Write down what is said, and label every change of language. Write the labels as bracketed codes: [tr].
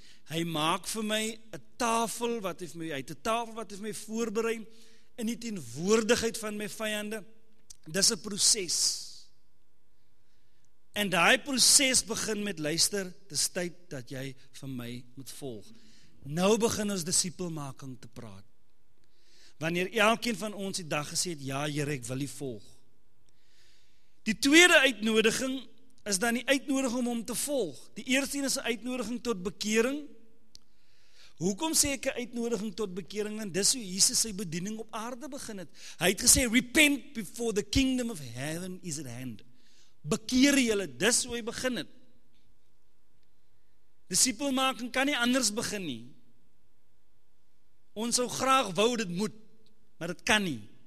[af] Hy maak vir my 'n tafel wat hy vir my, hy het 'n tafel wat hy vir my voorberei in die teenwoordigheid van my vyande. Dis 'n proses. En daai proses begin met luister, dis tyd dat jy vir my moet volg. Nou begin ons disipelmaking te praat. Wanneer elkeen van ons die dag gesê het, ja Here, ek wil U volg. Die tweede uitnodiging is dan die uitnodiging om hom te volg. Die eerste een is 'n uitnodiging tot bekering. Hoekom sê ek 'n uitnodiging tot bekering? En dis hoe Jesus sy bediening op aarde begin het. Hy het gesê, [en] repent before the kingdom of heaven is at hand. [af] Bekeer julle, dis hoe hy begin het. Disipelmaking kan nie anders begin nie. Ons sou graag wou dit moet, maar dit kan nie.